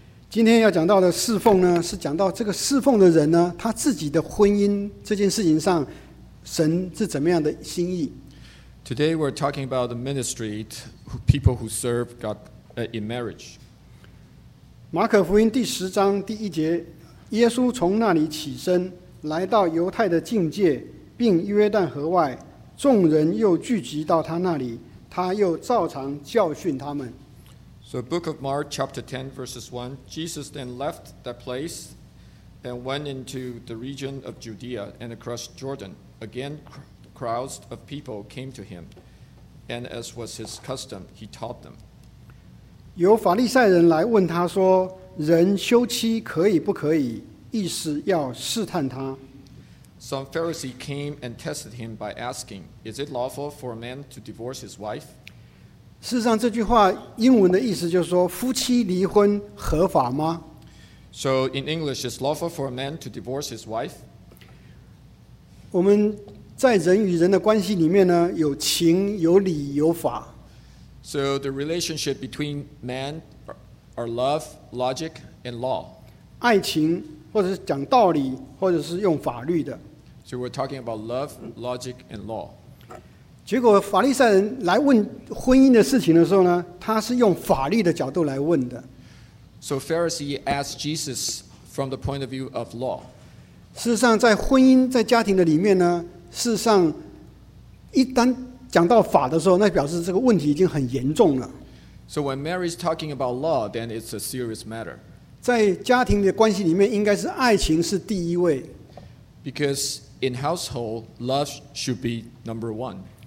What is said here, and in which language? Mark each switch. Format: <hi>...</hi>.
<zh>今天要讲到的侍奉呢，是讲到这个侍奉的人呢，他自己的婚姻这件事情上，神是怎么样的心意。</zh> <en>Today we're talking about the ministry, people who serve God in marriage.</en> <zh>马可福音第十章第一节，耶稣从那里起身，来到犹太的境界，并约旦河外，众人又聚集到他那里，他又照常教训他们。</zh> <en>So book of Mark chapter 10 verses 1, Jesus then left that place and went into the region of Judea and across Jordan. Again, crowds of people came to him, and as was his custom, he taught them.</en> <zh>有法利赛人来问他说，人休妻可以不可以，意思要试探他。</zh> <en>Some Pharisee came and tested him by asking, is it lawful for a man to divorce his wife?</en> <zh>事实上这句话英文的意思就是说夫妻离婚合法吗</zh> <en>So in English, it's lawful for a man to divorce his wife?</en> <zh>我们在人与人的关系里面呢有情有理有法</zh> <en>So the relationship between man are love, logic, and law</en> <zh>爱情或者是讲道理或者是用法律的</zh> <en>So we're talking about love, logic, and law</en> <zh>结果法利赛人来问婚姻的事情的时候呢，他是用法律的角度来问的。</zh> <en>So Pharisee asked Jesus from the point of view of law.</en> <zh>事实上，在婚姻在家庭的里面呢，事实上，一旦讲到法的时候，那表示这个问题已经很严重了。</zh> <en>So when Mary is talking about law, then it's a serious matter.</en> <zh>在家庭的关系里面，应该是爱情是第一位。</zh> <en>Because in household, love should be number one.</en>